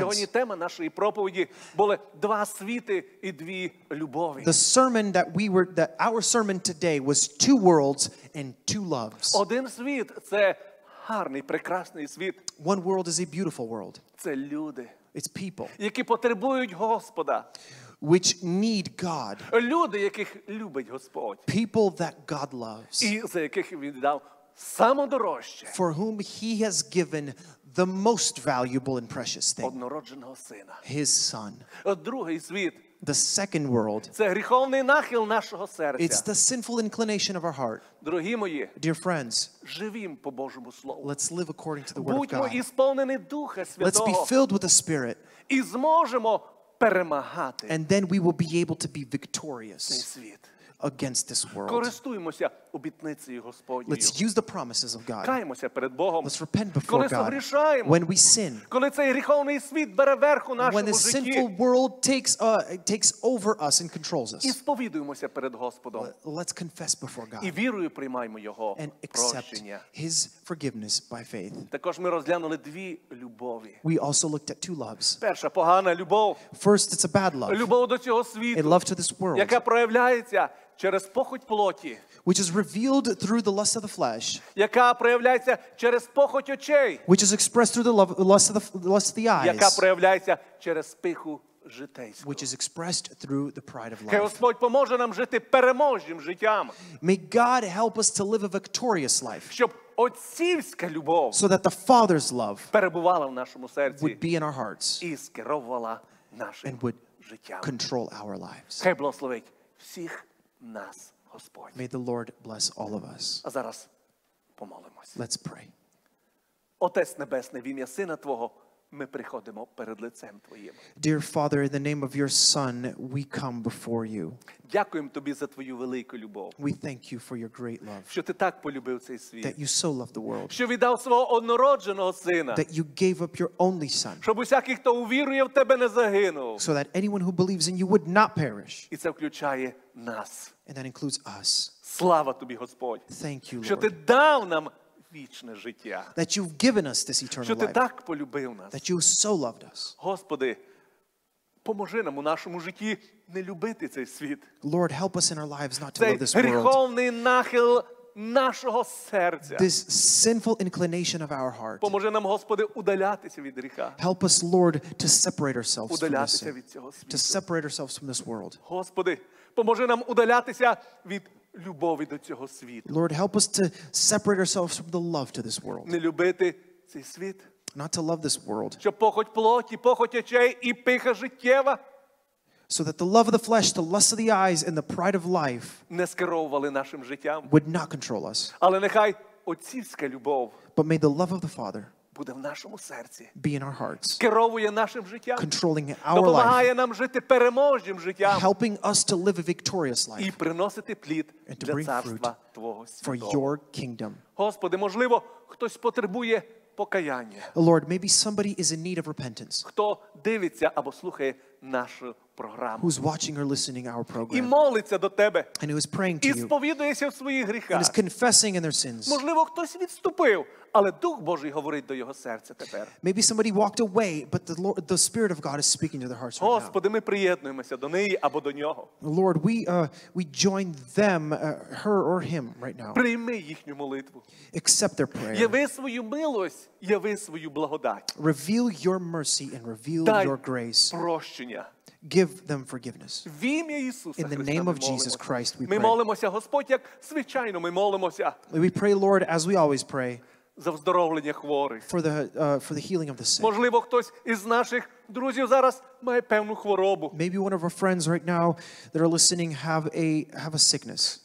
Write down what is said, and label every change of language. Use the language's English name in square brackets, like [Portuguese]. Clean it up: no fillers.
[Ukrainian] сьогодні тема нашої проповіді були два світи і дві любові. [English] The sermon that we were, that our sermon today was two worlds and two loves. [Ukrainian] Один світ – це гарний, прекрасний світ. [English] One world is a beautiful world. [Ukrainian] Це люди. [English] It's people. [Ukrainian] Які потребують Господа. [English] Which need God. [Ukrainian] Люди, яких любить Господь. [English] People that God loves. [Ukrainian] І за яких Він дав самодорожче. [English] For whom He has given the most valuable and precious thing. [Ukrainian] Однородженого сина. [English] His son. [Ukrainian] Другий світ. [English] The second world. [Ukrainian] Це гріховний нахил нашого серця. [English] It's the sinful inclination of our heart. [Ukrainian] Дорогі мої, [English] dear friends, [Ukrainian] живім по Божому слову. [English] Let's live according to the word [Ukrainian] Будьмо [English] of God. [Ukrainian] Будьмо сповнені Духа Святого. [English] Let's be filled with the Spirit. [Ukrainian] І зможемо перемагати. [English] And then we will be able to be victorious. [Ukrainian] Цей світ. [English] Against this world. [Ukrainian] Користуємося обітницею Господньою. [English] Let's use the promises of God. [Ukrainian] Каємося перед Богом. [English] Let's repent before [Ukrainian] Коли [English] God. [Ukrainian] Согрішаємо. [English] When we sin. [Ukrainian] Коли цей гріховний світ бере верх у нашому [English] When this [Ukrainian] житті. [English] Sinful world takes over us and controls us. [Ukrainian] І сповідуємося перед Господом. [English] Let's confess before God. [Ukrainian] І вірою приймаємо Його [English] and accept [Ukrainian] прощення. [English] His forgiveness by faith. [Ukrainian] Також ми розглянули дві любові. [English] We also looked at two loves. [Ukrainian] Перша погана любов. [English] First, it's a bad love. [Ukrainian] Любов до цього світу. [English] A love to this world. [Ukrainian] Яка проявляється через похоть плоті. [English] Which is revealed through the lust of the flesh. [Ukrainian] Яка проявляється через похоть очей. [English] Which is expressed through the lust of the eyes. [Ukrainian] Яка проявляється через пиху житейську. [English] Which is expressed through the pride of life. [Ukrainian] Хай Господь поможе нам жити переможнім життям. [English] May God help us to live a victorious life. [Ukrainian] Щоб отцівська любов. [English] So that the Father's love. [Ukrainian] Перебувала в нашому серці. [English] Would be in our hearts. [Ukrainian] І скеровувала наше життя. [English] And would життям. Control our lives. [Ukrainian] Хай благословить всіх нас Господь. [English] May the Lord bless all of us. [Ukrainian] А зараз помолимось. [English] Let's pray. [Ukrainian] Отець Небесний, в ім'я Сина Твого, ми приходимо перед лицем Твоїм. [English] Dear Father, in the name of your Son, we come before you. [Ukrainian] Дякуємо Тобі за Твою велику любов. [English] We thank you for your great love. [Ukrainian] Що Ти так полюбив цей світ. [English] That you so loved the world. [Ukrainian] Що віддав свого однородженого Сина. [English] That you gave up your only Son. [Ukrainian] Щоб усякий, хто увірує в Тебе, не загинув. [English] So that anyone who believes in you would not perish. [Ukrainian] І це включає нас. [English] And that includes us. [Ukrainian] Слава Тобі, Господь. [English] Thank you, Lord. [Ukrainian] Що Ти дав нам вічне життя. [English] That you've given us this eternal life. [Ukrainian] Що Ти так полюбив нас. [English] That you so loved us. [Ukrainian] Господи, поможи нам у нашому житті не любити цей світ. [English] Lord, help us in our lives not to love this world. [Ukrainian] Цей гріховний нахил нашого серця. [English] This sinful inclination of our heart. [Ukrainian] Поможи нам, Господи, удалятися від гріха. [English] Help us, Lord, to separate ourselves [Ukrainian] удалятися [English] from this sin. [Ukrainian] Від цього світу. [English] To separate ourselves from this world. [Ukrainian] Господи, поможи нам удалятися від любові до цього світу. [English] Lord, help us to separate ourselves from the love to this world. [Ukrainian] Не любити цей світ. [English] Not to love this world. [Ukrainian] Щоб похоть плоті, похоть очей і пиха життєва. [English] So that the love of the flesh, the lust of the eyes, and the pride of life [Ukrainian] не скеровували нашим життям. [English] Would not control us. [Ukrainian] Але нехай отцівська любов. [English] But may the love of the Father [Ukrainian] буде в нашому серці. [English] Be in our hearts. [Ukrainian] Керує нашим життям. [English] Controlling our life. [Ukrainian] Допомагає нам жити переможнім життям. [English] Helping us to live a victorious life. [Ukrainian] І приносити плід для царства Твого Святого. [English] For your kingdom. [Ukrainian] Господи, можливо, хтось потребує покаяння. [English] Lord, maybe somebody is in need of repentance. [Ukrainian] Хто дивиться або слухає нашу програму. [English] Who's watching or listening our program. [Ukrainian] І молиться до Тебе. [English] And who is praying to you. [Ukrainian] І сповідується в своїх гріхах. [English] And is confessing in their sins. [Ukrainian] Можливо, хтось відступив, але Дух Божий говорить до його серця тепер. [English] Maybe somebody walked away, but the Lord, the Spirit of God is speaking to their hearts [Ukrainian] Господи, [English] right now. [Ukrainian] Господи, ми приєднуємося до неї або до нього. [English] Lord, we join them, her or him right now. [Ukrainian] Прийми їхню молитву. [English] Accept their prayer. [Ukrainian] Яви свою милость, яви свою благодать. [English] Reveal your mercy and reveal [Ukrainian] Дай [English] your grace. [Ukrainian] Дай прощення. [English] Give them forgiveness. [Ukrainian] В ім'я Ісуса [English] In the [Ukrainian] Христа [English] name of Jesus Christ, we [Ukrainian] ми [English] pray. [Ukrainian] Ми молимося, Господь, як звичайно ми молимося. [English] We pray, Lord, as we always pray. [Ukrainian] За оздоровлення хворих. [English] For the healing of the sick. [Ukrainian] Можливо, хтось із наших друзів зараз має певну хворобу. [English] Maybe one of our friends right now that are listening have a sickness.